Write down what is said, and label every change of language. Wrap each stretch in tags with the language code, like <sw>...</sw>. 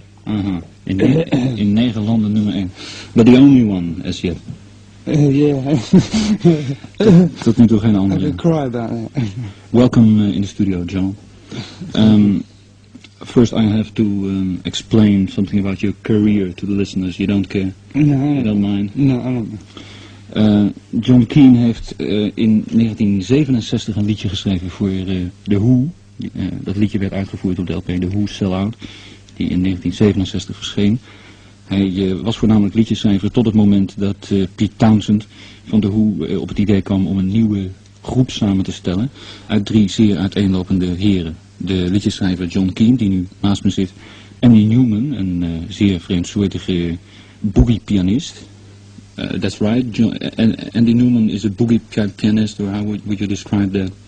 <en>Uh-huh.</en> <nl>In 9 landen,</nl> <en>number 1. But the only one as yet. Yeah.</en> <nl>Tot nu toe geen andere.</nl> <en>I could cry about that. Welcome in the studio, John. First, I have to explain something about your career to the listeners. You don't care? No. You don't mind? No, I don't know.</en> <nl>John Keane heeft in 1967 een liedje geschreven voor The Who. Dat liedje werd uitgevoerd op de LP The Who Sell Out, die in 1967 verscheen. Hij was voornamelijk liedjesschrijver tot het moment dat Pete Townshend van The Who op het idee kwam om een nieuwe groep samen te stellen uit 3 zeer uiteenlopende heren. De liedjesschrijver John Keane, die nu naast me zit, Andy Newman, een zeer vreemdsoortige boogie-pianist.</nl> <en>That's right, Andy Newman is a boogie pianist, or how would you describe that?</en>